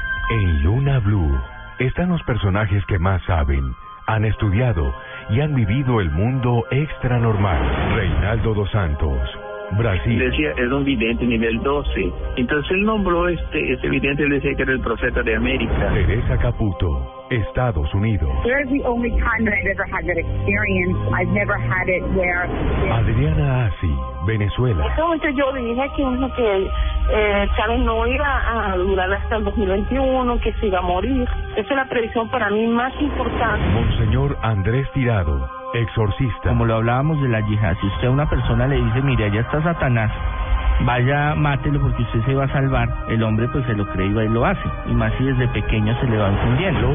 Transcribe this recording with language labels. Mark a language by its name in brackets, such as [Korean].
[Spanish] En Luna BLU están los personajes que más saben, han estudiado y han vivido el mundo extranormal. Reinaldo dos Santos, Brasil. Decía, es un vidente nivel 12. Entonces él nombró este vidente, él decía que era el profeta de América. Teresa Caputo, Estados Unidos. [English] Where is the only time that I've ever had that experience? I've never had it where. [Spanish] Adriana Assi, Venezuela. Entonces yo dije que uno que sabe no iba a durar hasta el 2021, que se iba a morir. Esa es la predicción para mí más importante. Monseñor Andrés Tirado, exorcista. Como lo hablábamos de la yihad, si usted a una persona le dice, mire, allá está Satanás, vaya, mátelo porque usted se va a salvar, el hombre pues se lo cree y va y lo hace, y más si desde pequeño se le va encendiendo.